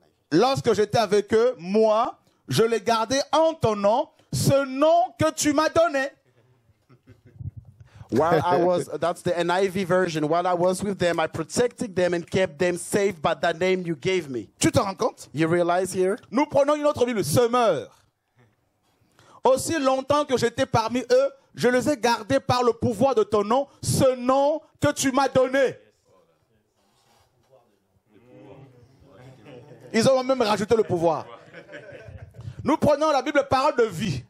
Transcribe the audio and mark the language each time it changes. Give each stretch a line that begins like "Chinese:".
French: Lorsque j'étais avec eux, moi, je les gardais en ton nom, ce nom que tu m'as donné.
English: While I was, that's the NIV version. While I was with them, I protected them and kept them safe by that name you gave me.
French: Tu te rends compte?
English: You realize here?
French: Nous prenons une autre Bible, Semeur. Aussi longtemps que j'étais parmi eux, je les ai gardés par le pouvoir de ton nom, ce nom que tu m'as donné. Ils ont même rajouté le pouvoir. Nous prenons la Bible Parole de Vie.